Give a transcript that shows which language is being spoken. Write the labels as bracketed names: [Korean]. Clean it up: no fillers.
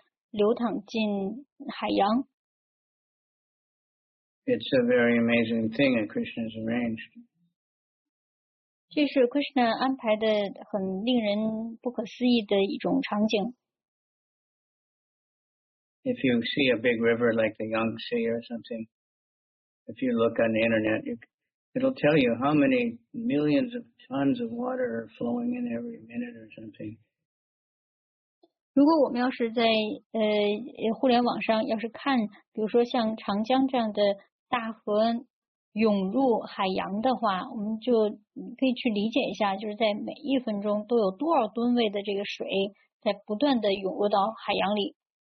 [Chinese] 那有这么一个好的例子，就好像是这个河水总是流淌进海洋。 [English] It's a very amazing thing that Krishna has arranged. [Chinese] 这是Krishna安排的很令人不可思议的一种场景。 [English] If you see a big river like the Yangtze or something, if you look on the internet, it'll tell you how many millions of tons of water are flowing in every minute or something. [Chinese] 如果我们要是在互联网上，要是看，比如说像长江这样的大河涌入海洋的话，我们就可以去理解一下，就是在每一分钟都有多少吨位的这个水在不断的涌入到海洋里。